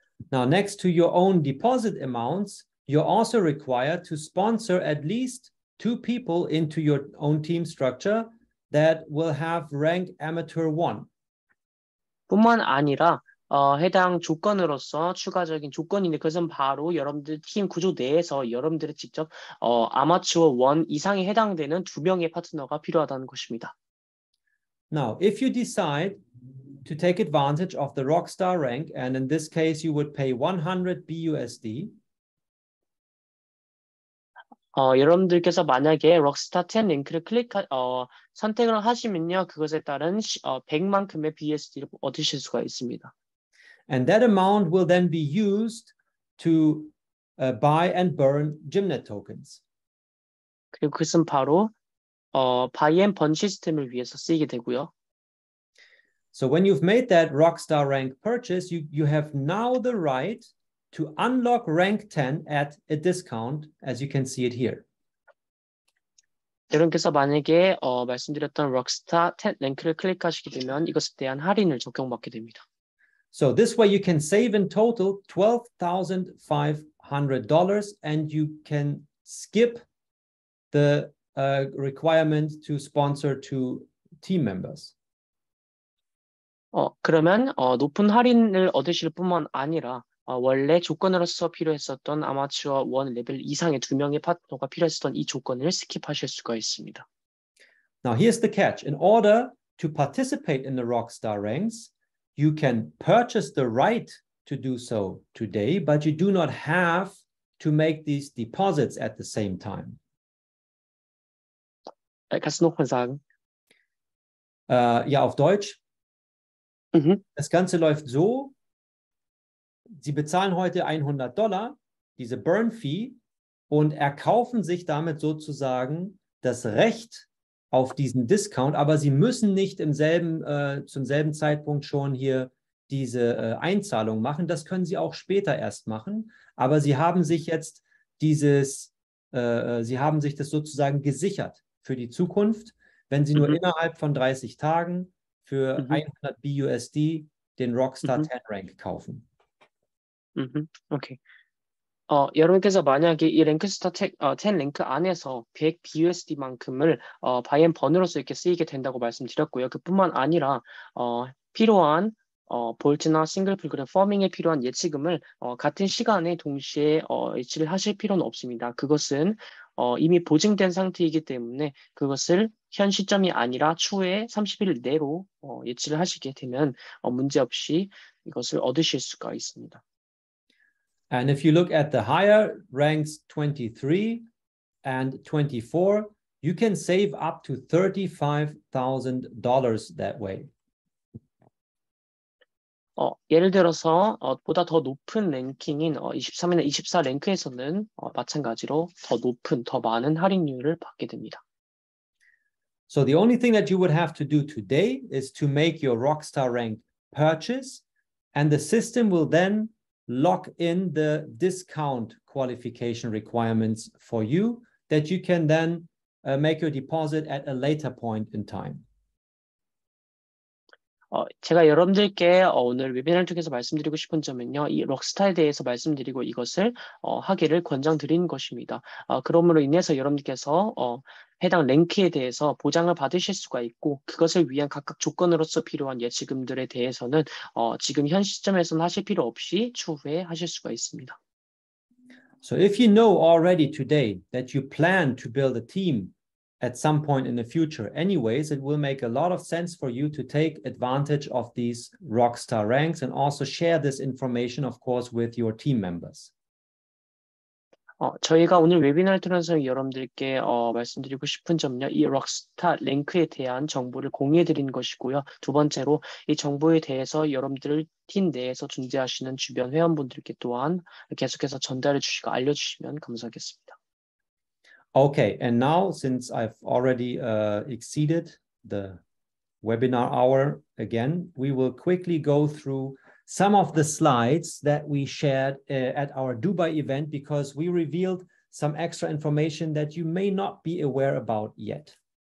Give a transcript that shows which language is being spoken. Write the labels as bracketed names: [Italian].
[English] Now, next to your own deposit amounts, you're also required to sponsor at least two people into your own team structure that will have rank amateur 1. [Korean] 뿐만 아니라 해당 조건으로서 추가적인 조건인데 그것은 바로 여러분들 팀 구조 내에서 여러분들의 직접 아마추어 1 이상에 해당되는 두 명의 파트너가 필요하다는 것입니다. [English] Now, if you decide to take advantage of the Rockstar rank and in this case you would pay 100 BUSD [Korean] 여러분들께서 만약에 Rockstar 10 랭크를 선택을 하시면요, 그것에 따른 100만큼의 BUSD를 얻으실 수가 있습니다. [English] And that amount will then be used to buy and burn Gymnet tokens. [Korean] 그리고 그것은 바로 buy and burn 시스템을 위해서 쓰이게 되고요. [English] So when you've made that Rockstar rank purchase, you have now the right to unlock rank 10 at a discount, as you can see it here. [Korean] 여러분께서 만약에 말씀드렸던 Rockstar 10 랭크를 클릭하시게 되면 이것에 대한 할인을 적용받게 됩니다. [English] So this way you can save in total $12,500 and you can skip the requirement to sponsor to team members. [Korean] 그러면 높은 할인을 얻으실 뿐만 아니라 원래 조건으로서 필요했었던 아마추어 1 레벨 이상의 두 명의 파트너가 필요했었던 이 조건을 스킵하실 수가 있습니다. [English] Now here's the catch. In order to participate in the Rockstar ranks, you can purchase the right to do so today, but you do not have to make these deposits at the same time. [Korean] 그래서 놓고 sagen. [German] Ja, auf Deutsch. Mhm. Das Ganze läuft so. Sie bezahlen heute $100, diese Burn Fee, und erkaufen sich damit sozusagen das Recht auf diesen Discount, aber sie müssen nicht im selben, zum selben Zeitpunkt schon hier diese Einzahlung machen. Das können sie auch später erst machen, aber sie haben sich jetzt dieses, sie haben sich das sozusagen gesichert für die Zukunft, wenn sie nur innerhalb von 30 Tagen für 100 BUSD den Rockstar 10 Rank kaufen. Okay. [Korean] 여러분께서 만약에 이 랭크스타 10 랭크 안에서 100 BUSD만큼을 바이앤 번으로서 이렇게 쓰이게 된다고 말씀드렸고요. 그뿐만 아니라 필요한 볼트나 싱글풀 그런 펌밍에 필요한 예치금을 같은 시간에 동시에 예치를 하실 필요는 없습니다. 그것은 이미 보증된 상태이기 때문에 그것을 현 시점이 아니라 추후에 30일 내로 예치를 하시게 되면 문제없이 이것을 얻으실 수가 있습니다. [English] And if you look at the higher ranks 23 and 24, you can save up to $35,000 that way. [Korean] 예를 들어서 보다 더 높은 랭킹인 23이나 24 랭크에서는 마찬가지로 더 높은, 더 많은 할인율을 받게 됩니다. [English] So the only thing that you would have to do today is to make your Rockstar rank purchase, and the system will then lock in the discount qualification requirements for you that you can then make your deposit at a later point in time. [Korean] 제가 여러분들께 오늘 웨비나를 통해서 말씀드리고 싶은 점은요. 이 록스타에 대해서 말씀드리고 이것을 하기를 권장드린 것입니다. 그러므로 인해서 여러분께서 해당 랭크에 대해서 보장을 받으실 수가 있고 그것을 위한 각각 조건으로서 필요한 예치금들에 대해서는 지금 현 시점에서는 하실 필요 없이 추후에 하실 수가 있습니다. [English] So if you know already today that you plan to build a team at some point in the future anyways, it will make a lot of sense for you to take advantage of these Rockstar ranks and also share this information, of course, with your team members. [Korean] 저희가 오늘 웨비나를 통해서 여러분들께 말씀드리고 싶은 점은요. 이 록스타 랭크에 대한 정보를 공유해 드린 것이고요. 두 번째로 이 정보에 대해서 여러분들 팀 내에서 존재하시는 주변 회원분들께 또한 계속해서 전달해 주시고 알려 주시면 감사하겠습니다. [English] Okay, and now since I've already exceeded the webinar hour again, we will quickly go through some of the slides that we shared at our Dubai event, because we revealed some extra information that you may not be aware about yet.